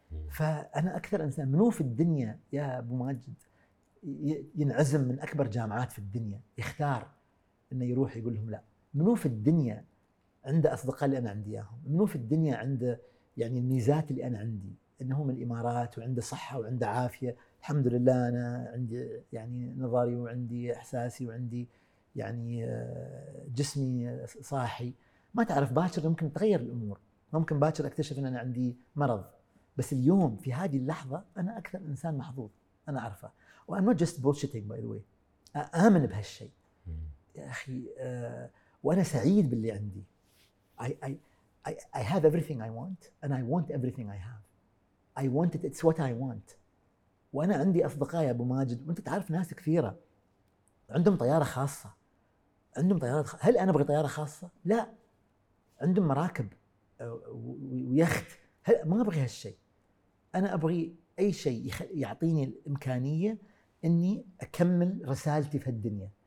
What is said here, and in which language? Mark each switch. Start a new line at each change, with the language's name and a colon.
Arabic: فأنا أكثر إنسان منو في الدنيا يا أبو ماجد ينعزم من أكبر جامعات في الدنيا يختار إنه يروح يقول لهم لا؟ منو في الدنيا عنده أصدقاء اللي أنا عندي إياهم؟ منو في الدنيا عنده يعني الميزات اللي أنا عندي، إنه من الإمارات وعنده صحة وعنده عافية؟ الحمد لله أنا عندي يعني نظري وعندي إحساسي وعندي يعني جسمي صاحي. ما تعرف باكر ممكن تغير الأمور، ممكن باكر أكتشف إن أنا عندي مرض، بس اليوم في هذه اللحظة أنا أكثر إنسان محظوظ أنا أعرفه. وأنا not just bullshitting by the way، آمن بهالشيء يا أخي. وأنا سعيد باللي عندي.
English: I have everything I want and I want everything I have. I want it. It's what I want.
Arabic: وأنا عندي أصدقائي أبو ماجد، وأنت تعرف ناس كثيرة عندهم طيارة خاصة، عندهم طيارة هل أنا أبغي طيارة خاصة؟ لا. عندهم مراكب ويخت، هل ما أبغي هالشيء؟ أنا أبغي أي شيء يعطيني الإمكانية إني أكمل رسالتي في هالدنيا.